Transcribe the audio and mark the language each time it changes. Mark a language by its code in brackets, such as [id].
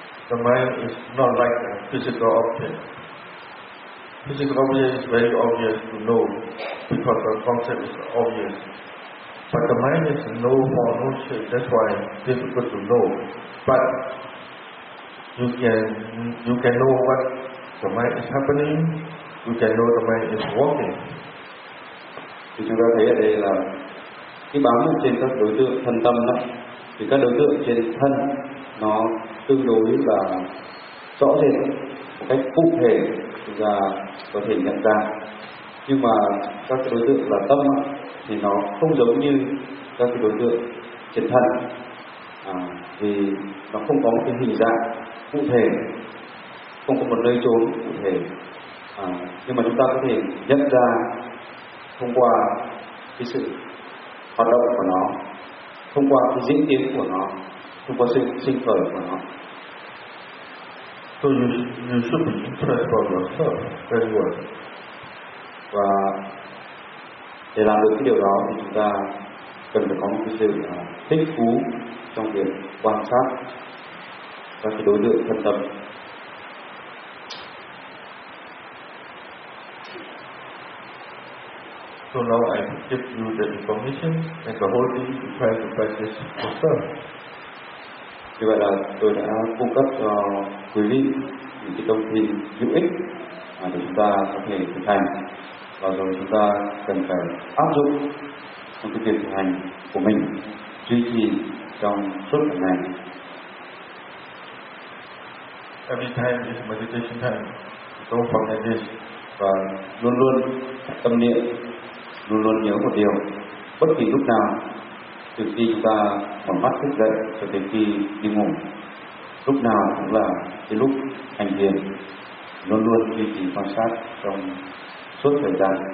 [en] The mind is not like a physical object. Physical object is very obvious to know because the concept is obvious. But the mind is no form, no shape, that's why it's difficult to know. But you can know what the mind is happening, you can know the mind is walking. [vi] Thì chúng ta thấy ở đây là khi bám trên các đối tượng thân tâm đó, thì các đối tượng trên thân nó tương đối là rõ rệt, một cách cụ thể và có thể nhận ra. Nhưng mà các đối tượng là tâm thì nó không giống như các đối tượng trên thân, thì nó không có một cái hình dạng cụ thể, không có một nơi chốn cụ thể. Nhưng mà chúng ta có thể nhận ra thông qua cái sự hoạt động của nó, thông qua cái diễn tiến của nó, thông qua sự sinh khởi của nó. [en] So you should be impressed by yourself very well. [vi] Và để làm được cái điều đó thì chúng ta cần phải có một cái sự thích thú trong việc quan sát các cái đối tượng thân tâm. [en] So now I give you the information and the whole thing to try to practice yourself. [vi] Như vậy là tôi đã cung cấp cho quý vị những cái thông tin hữu ích để chúng ta có thể thực hành, và rồi chúng ta cần phải áp dụng trong cái việc thực hành của mình, duy trì trong suốt cả ngày. [en] Every time is meditation time. Don't forget this. [vi] Và luôn luôn tâm niệm, luôn luôn nhớ một điều, bất kỳ lúc nào, từ khi chúng ta mở mắt thức dậy cho đến khi đi ngủ, lúc nào cũng là cái lúc hành thiền, luôn luôn duy trì quan sát trong suốt thời gian.